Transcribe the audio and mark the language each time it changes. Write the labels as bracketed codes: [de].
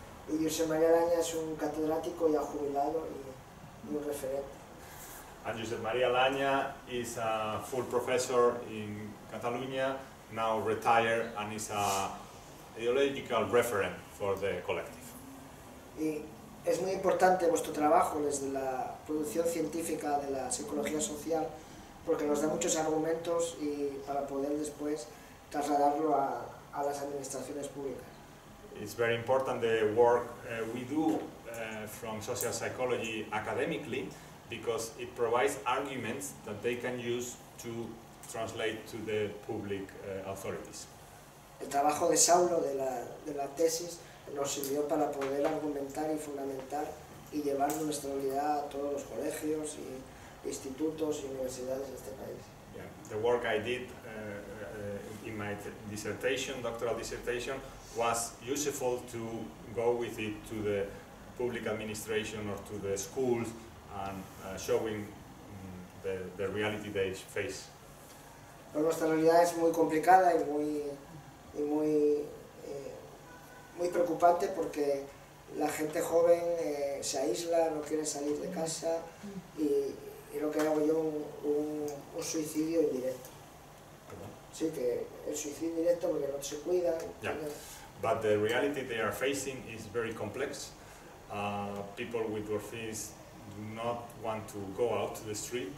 [es] Y José María Laña es un catedrático ya jubilado y un referente. [en] And José María Laña is a full professor in Catalonia, now retired, and is a ideological referent for the collective. [es] Y es muy importante vuestro trabajo desde la producción científica de la psicología social, porque nos da muchos argumentos y para poder después trasladarlo a las administraciones públicas. [en] It's very important the work we do from social psychology academically, because it provides arguments that they can use to translate to the public authorities. [es] El trabajo de Saulo de la tesis nos sirvió para poder argumentar y fundamentar y llevar nuestra unidad a todos los colegios y institutos y universidades de este país. [en] Yeah, the work I did in my doctoral dissertation. Was useful to go with it to the public administration or to the schools and showing the reality they face. [es] Pero nuestra realidad es muy complicada y muy preocupante porque la gente joven se aísla, no quiere salir de casa y lo que hago yo un suicidio indirecto. ¿Perdón? Sí, que el suicidio indirecto porque no se cuida. [en] But the reality they are facing is very complex. People with dwarfism do not want to go out to the street.